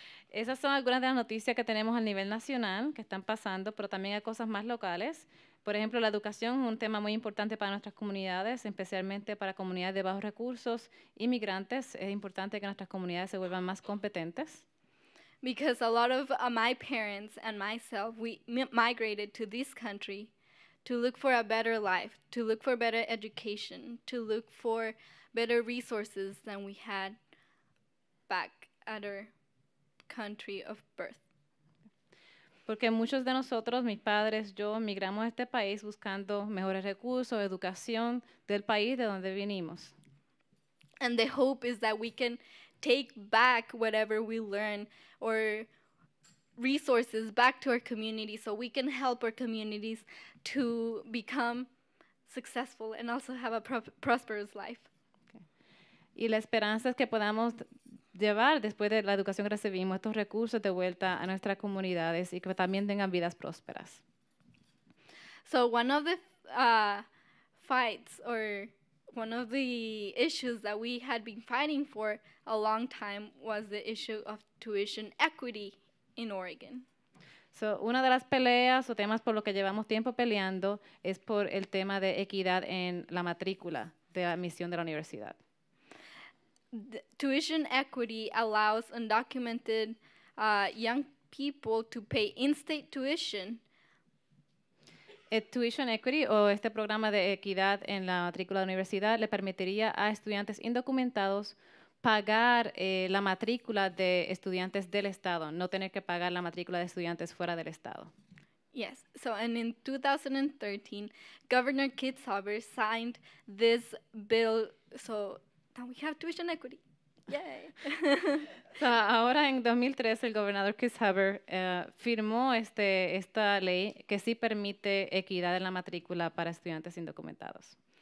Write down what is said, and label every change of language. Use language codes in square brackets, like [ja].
[es] Esas son algunas de las noticias que tenemos a nivel nacional que están pasando, pero también hay cosas más locales. Por ejemplo, la educación es un tema muy importante para nuestras comunidades, especialmente para comunidades de bajos recursos, inmigrantes. Es importante que nuestras comunidades se vuelvan más competentes. [en] Because a lot of my parents and myself, we migrated to this country to look for a better life, to look for better education, to look for better resources than we had back at our country of birth. [es] Porque muchos de nosotros, mis padres, yo, migramos a este país buscando mejores recursos, educación del país de donde vinimos. [en] And the hope is that we can take back whatever we learn or resources back to our community so we can help our communities to become successful and also have a prosperous life. [es] Okay. Y la esperanza es que podamos llevar después de la educación que recibimos estos recursos de vuelta a nuestras comunidades y que también tengan vidas prósperas. [en] So one of the fights or one of the issues that we had been fighting for a long time was the issue of tuition equity in Oregon. [es] So una de las peleas o temas por lo que llevamos tiempo peleando es por el tema de equidad en la matrícula de admisión de la universidad. [en] The tuition equity allows undocumented young people to pay in-state tuition. [es] Tuition equity, o este programa de equidad en la matrícula de la universidad, le permitiría a estudiantes indocumentados pagar la matrícula de estudiantes del estado, no tener que pagar la matrícula de estudiantes fuera del estado. [en] Yes, so and in 2013, Governor Kitzhaber signed this bill, so we have tuition equity. Yay! [es] So, ahora en 2013, el gobernador Kitzhaber firmó esta ley que sí permite equidad en la matrícula para estudiantes indocumentados.